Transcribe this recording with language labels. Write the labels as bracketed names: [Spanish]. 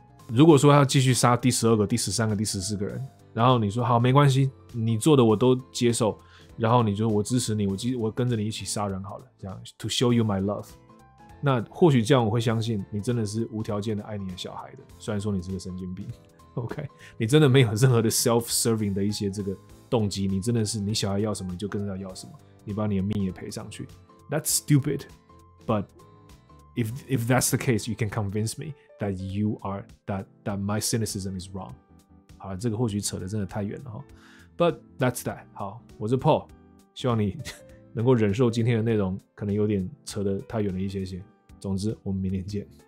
[Chinese] 如果说要继续杀第12个第13个第14个人，然后你说好没关系，你做的我都接受，然后你就我支持你， 我跟着你一起杀人好了，这样 [English] to show you my love， [Chinese] 那或许这样我会相信你真的是无条件的爱你的小孩的，虽然说你是个神经病， OK， 你真的没有任何的 self serving 的一些这个动机，你真的是你小孩要什么你就跟着要什么，你把你的命也赔上去。 [English] That's stupid, but if that's the case, you can convince me that you are that my cynicism is wrong。 [Chinese] 好了，这个或许扯得真的太远了哈。 [English] But that's that。 [Chinese] 好，我是 Paul， 希望你能够忍受今天的内容可能有点扯得太远了一些些。总之，我们明天见。